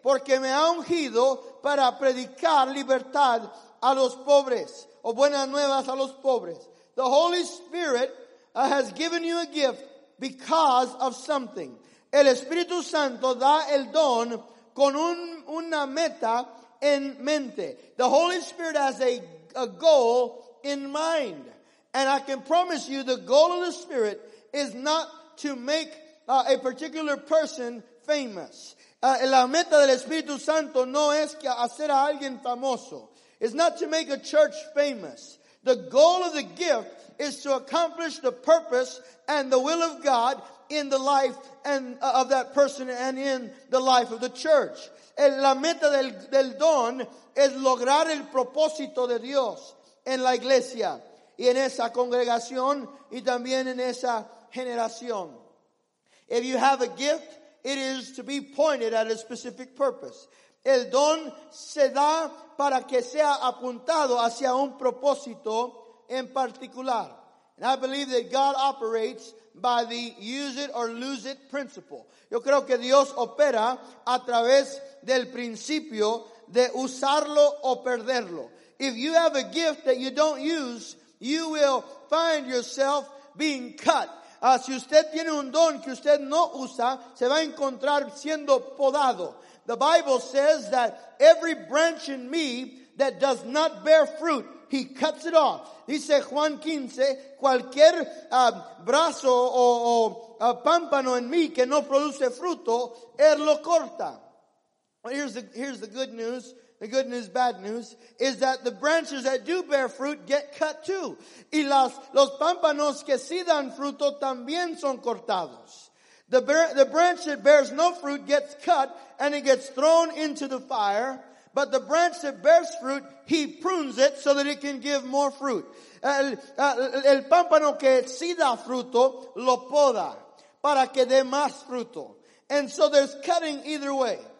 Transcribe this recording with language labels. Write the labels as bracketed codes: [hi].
[es] Porque me ha ungido para predicar libertad a los pobres, o buenas nuevas a los pobres. [en] The Holy Spirit has given you a gift because of something. [es] El Espíritu Santo da el don con una meta en mente. [en] The Holy Spirit has a goal in mind. And I can promise you the goal of the Spirit is not to make a particular person famous. [es] La meta del Espíritu Santo no es que hacer a alguien famoso. [en] It's not to make a church famous. The goal of the gift is to accomplish the purpose and the will of God in the life and of that person and in the life of the church. [es] La meta del don es lograr el propósito de Dios en la iglesia y en esa congregación y también en esa generación. [en] If you have a gift, it is to be pointed at a specific purpose. [es] El don se da para que sea apuntado hacia un propósito en particular. [en] And I believe that God operates by the use it or lose it principle. [es] Yo creo que Dios opera a través del principio de usarlo o perderlo. [en] If you have a gift that you don't use, you will find yourself being cut. [es] Si usted tiene un don que usted no usa, se va a encontrar siendo podado. [en] The Bible says that every branch in me that does not bear fruit, He cuts it off. [es] Dice Juan 15, cualquier brazo o pámpano en mí que no produce fruto, Él lo corta. [en] Well, here's the good news. The good news, bad news, is that the branches that do bear fruit get cut too. [es] Y los pámpanos que sí dan fruto también son cortados. [en] The branch that bears no fruit gets cut and it gets thrown into the fire. But the branch that bears fruit, He prunes it so that it can give more fruit. [es] El pámpano que sí da fruto lo poda para que dé más fruto. [en] And so there's cutting either way.